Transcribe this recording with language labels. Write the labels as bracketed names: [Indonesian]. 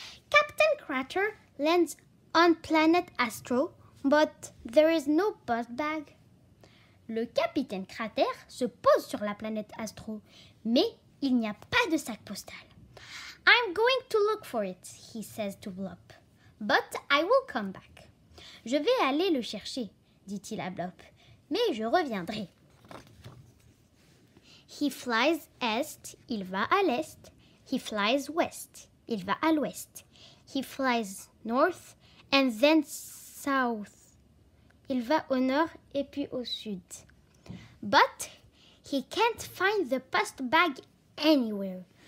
[English] Captain Crater lands on planet Astro. But there is no post bag. [French] Le capitaine Crater se pose sur la planète Astro, mais il n'y a pas de sac postal. [English] I'm going to look for it, he says to Blop. But I will come back. [French] Je vais aller le chercher, dit-il à Blop, mais je reviendrai. [English] He flies east, [French] il va à l'est. [English] He flies west, [French] il va à l'ouest. [English] He flies north and then south. [French] Il va au nord et puis au sud. [English] But he can't find the post bag anywhere.